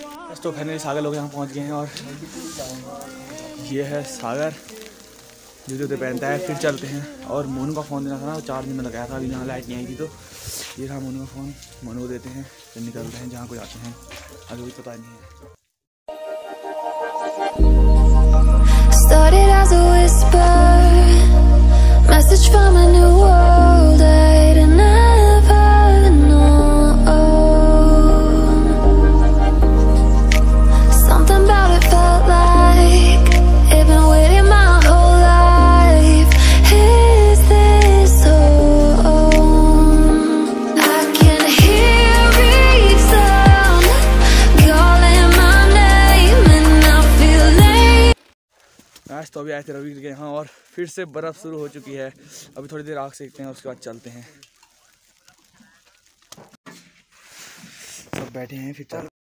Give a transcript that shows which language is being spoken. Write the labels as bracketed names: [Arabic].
[Hindi] बस तो फाइनली सागर लोग यहाँ पहुँच गए हैं और ये है सागर जो जूते पहनता है। फिर चलते हैं। और मोनू का फ़ोन देना था ना, चार दिन में लगाया था, अभी यहाँ लाइट नहीं आई थी। तो ये रहा मोनू का फ़ोन, मोनू को देते हैं फिर निकलते हैं जहाँ को जाते हैं, अभी कुछ पता नहीं है। [English] Started as a whisper, message from a new world I'd never known. Something about it felt like it'd been waiting my whole life. Is this home? I can hear reason calling my name and I feel late. [Hindi] Nice, तभी आए थे रवि के यहाँ और फिर से बर्फ़ शुरू हो चुकी है। अभी थोड़ी देर आग सेकते हैं, उसके बाद चलते हैं। सब बैठे हैं फिर चल।